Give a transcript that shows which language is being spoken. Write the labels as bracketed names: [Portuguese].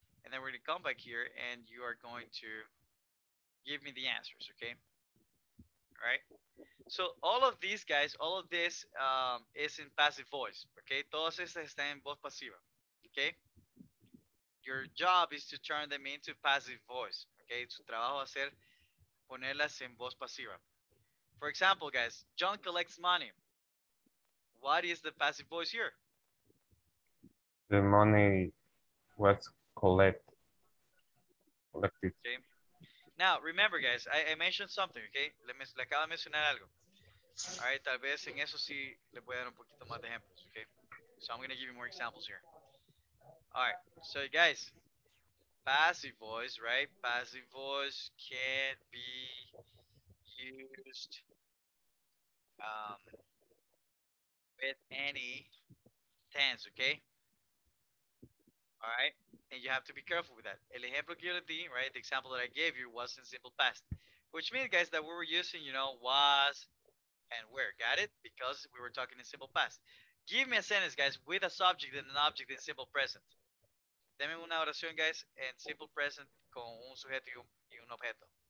[English] and then we're gonna come back here and you are going to give me the answers, okay? All right. So all of these guys, all of this is in passive voice, okay? [Spanish] Todos estos están en voz pasiva, [English] okay? Your job is to turn them into passive voice, okay? [Spanish] Su trabajo va a ser ponerlas en voz pasiva. [English] For example, guys, John collects money. What is the passive voice here? The money was collected. Okay. Now, remember, guys, I mentioned something, okay? [Spanish] Le acabo de mencionar algo. All right, tal vez en eso sí le voy a dar un poquito más de ejemplos, okay? [English] So I'm going to give you more examples here. All right, so guys, passive voice, right? Passive voice can't be used with any tense, okay? All right, and you have to be careful with that. [Spanish] El ejemplo que yo le di, [English] right? The example that I gave you was in simple past, which means, guys, that we were using, you know, was and were. Got it? Because we were talking in simple past. Give me a sentence, guys, with a subject and an object in simple present. [Spanish] Deme una oración, guys, en simple present con un sujeto y un objeto.